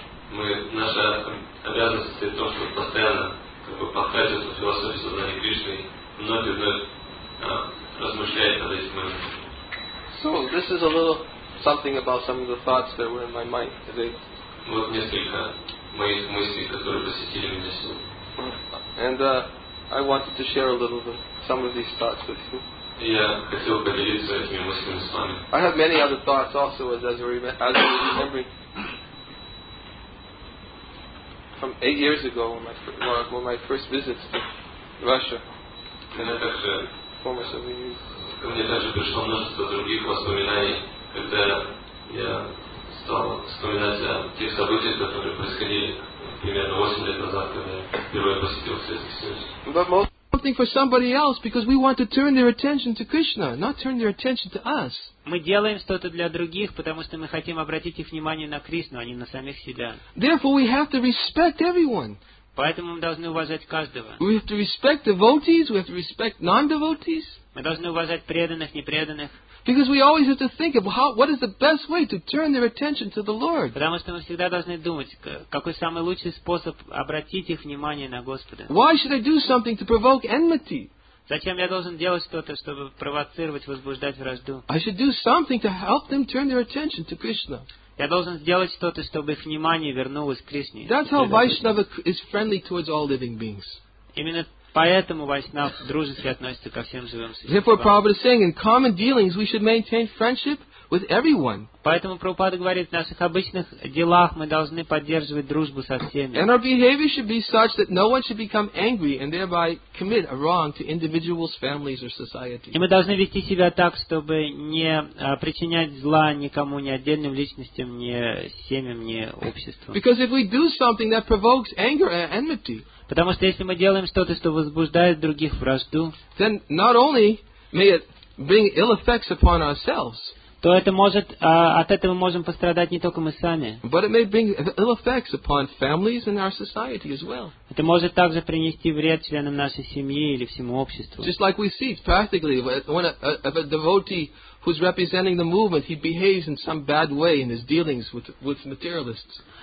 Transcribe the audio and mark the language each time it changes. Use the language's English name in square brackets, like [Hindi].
[Russian] Наша обязанность состоит в том, чтобы постоянно как бы пахать эту философию сознания Кришны, вновь и вновь размышлять над этим моментом. [English] So this is a little something about some of the thoughts that were in my mind today. [Russian] Вот несколько моих мыслей, которые посетили меня сегодня. [English] And I wanted to share a little bit some of these thoughts with you. [Russian] Я хотел поделиться этими мыслями с вами. [English] I have many other thoughts also as I remember. From 8 years ago, when my first visits to Russia, former Soviet Union. [Russian] Ко мне также пришло множество других воспоминаний, когда я стал вспоминать о тех событиях, которые происходили примерно 8 лет назад, когда я впервые посетил Советский Союз. [English] But most something for somebody else because we want to turn their attention to Krishna, not turn their attention to us. [Russian] Мы делаем что-то для других, потому что мы хотим обратить их внимание на Кришну, а не на самих себя. [English] Therefore, we have to respect everyone. [Russian] Поэтому мы должны уважать каждого. [English] We have to respect devotees. We have to respect non-devotees. [Russian] Мы должны уважать преданных, непреданных. [English] Because we always have to think of what is the best way to turn their attention to the Lord. [Russian] Потому что мы всегда должны думать, какой самый лучший способ обратить их внимание на Господа. [English] Why should I do something to provoke enmity? [Russian] Зачем я должен делать что-то, чтобы провоцировать, возбуждать вражду? [English] I should do something to help them turn their attention to Krishna. [Russian] Я должен сделать что-то, чтобы их внимание вернулось к Кришне. [English] That's how Vaishnava is friendly towards all living beings. [Russian] Именно поэтому Вайшнав дружески относится ко всем живым существам. [English] Therefore, Prabhupada is saying, in common dealings, we should maintain friendship with everyone. [Russian] Поэтому Прабхупада говорит, в наших обычных делах мы должны поддерживать дружбу со всеми. [English] And our behavior should be such that no one should become angry and thereby commit a wrong to individuals, families or society. [Russian] И мы должны вести себя так, чтобы не причинять зла никому, ни отдельным личностям, ни семьям, ни обществу. [English] Because if we do something that provokes anger and enmity, [Russian] потому что если мы делаем что-то, что возбуждает других вражду, [English] then not only may it bring ill effects upon ourselves, [Russian] то это может, от этого мы можем пострадать не только мы сами. [English] But it may bring ill effects upon families and our society as well. [Russian] Это может также принести вред членам нашей семьи или всему обществу. [English] Just like we see practically when a devotee who's representing the movement, he behaves in some bad way in his dealings with materialists.